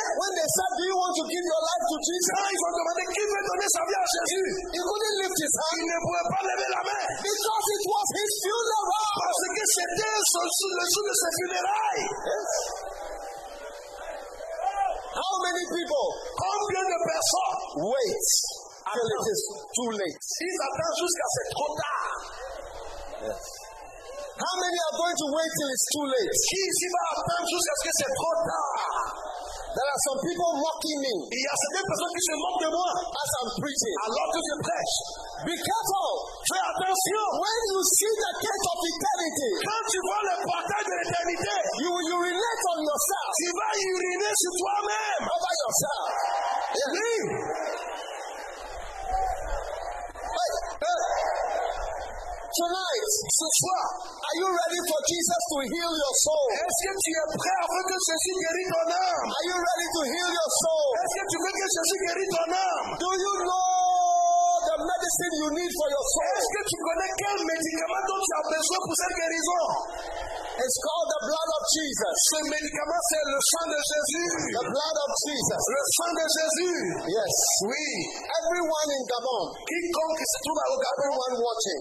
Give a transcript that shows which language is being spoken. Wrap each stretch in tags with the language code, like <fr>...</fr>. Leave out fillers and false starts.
<en>When they said, do you want to give your life to Jesus?</en> <fr>Quand ils ont demandé, qui veut donner sa vie à Jésus?</fr> <en>He couldn't lift his hand.</en> <fr>Il ne pouvait pas lever la main.</fr> <en>Because it was his funeral.</en> <fr>Parce que c'était le jour de ses funérailles.</fr> <en>How many people?</en> <fr>Combien de personnes?</fr> <en>Wait until it is too late.</en> <fr>Ils attendent jusqu'à ce soit trop tard.</fr> <en>Yes. How many are going to wait till it's too late?</en> <fr>Qui ici va attendre jusqu'à ce que c'est trop tard?</fr> <en>There are some people mocking me.</en> <fr>Il y a certaines personnes qui se moquent de moi.</fr> <en>As I'm preaching.</en> <fr>Alors que je prêche.</fr> <en>Be careful.</en> <fr>Fais attention.</fr> <en>When you see the gate of eternity,</en> <fr>quand tu vois le portail de l'éternité,</fr> <en>you relate on yourself.</en> <fr>Tu vas uriner sur toi-même.</fr> <en>Over yourself. Yes.</en> <fr>Oui.</fr> <en>Tonight,</en> <fr>ce soir,</fr> <en>are you ready for Jesus to heal your soul?</en> <fr>Est-ce que tu es prêt afin que Jésus guérisse ton âme?</fr> <en>Are you ready to heal your soul?</en> <fr>Est-ce que tu veux que Jésus guérisse ton âme?</fr> <en>Do you know the medicine you need for your soul?</en> <fr>Est-ce que tu connais quel médicament dont tu as besoin pour cette guérison?</fr> <en>It's called the blood of Jesus.</en> <fr>Ce médicament, c'est le sang de Jésus.</fr> <en>The blood of Jesus.</en> <fr>Le sang de Jésus.</fr> <en>Yes.</en> <fr>Oui.</fr> <en>Everyone in Gabon.</en> <fr>Quiconque se trouve au Gabon.</fr> <en>Everyone watching.</en>